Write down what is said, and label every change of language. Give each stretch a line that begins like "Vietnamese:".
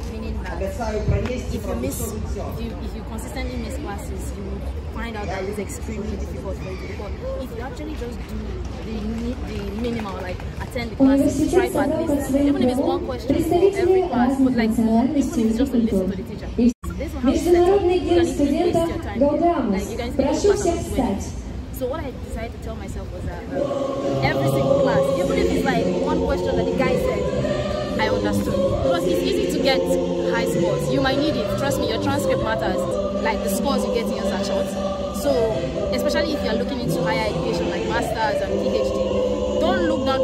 English: Meaning that if you miss, if you consistently miss classes, you will find out that it's extremely difficult for you. But if you actually just do the minimal, like attend the classes, try to at least, even if it's one question for every class, but like even if it's just to listen to the teacher.
Russian: Международный день студента Гаудама. Прошу всех встать.
English: So what I decided to tell myself was that every single class, even if it's like one question that the guy said, I understood. Because it's easy to get high scores. You might need it. Trust me, your transcript matters. Like the scores you get in your shots. So especially if you're looking into higher education like masters and PhD, don't look down.